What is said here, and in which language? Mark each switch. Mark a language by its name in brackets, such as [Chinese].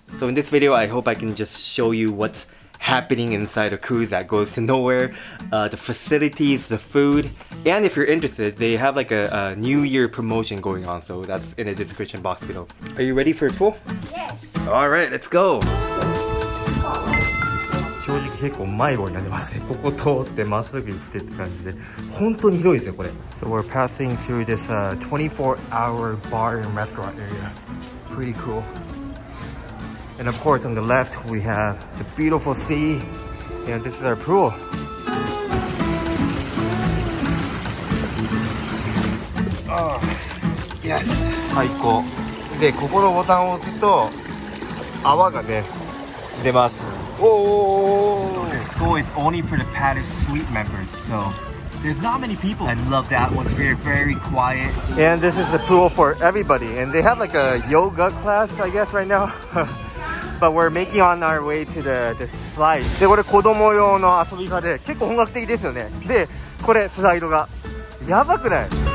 [English] So in this video, I hope I can just show you what's happening inside a cruise that goes to nowhere, the facilities, the food, and if you're interested, they have like a New Year promotion going on. So that's in the description box below. Are you ready for your pool? Yes. All right, let's go. [Japanese] 正直結構迷子になりますね。ここ通ってまっすぐ行ってって感じで、本当に広いですよこれ。 [English] So we're passing through this 24-hour bar and restaurant area. Pretty cool. And of course on the left we have the beautiful sea. And this is our pool. [Japanese] Yes. 最高。でここのボタンを押すと泡がね出ます。 [English] This pool is only for the palace suite members, so there's not many people. I love the atmosphere, very quiet. And this is the pool for everybody, and they have like a yoga class, I guess, right now. But we're making on our way to the slide. [Japanese] で、これ子供用の遊び場で結構本格的ですよね。で、これスライドがやばくない？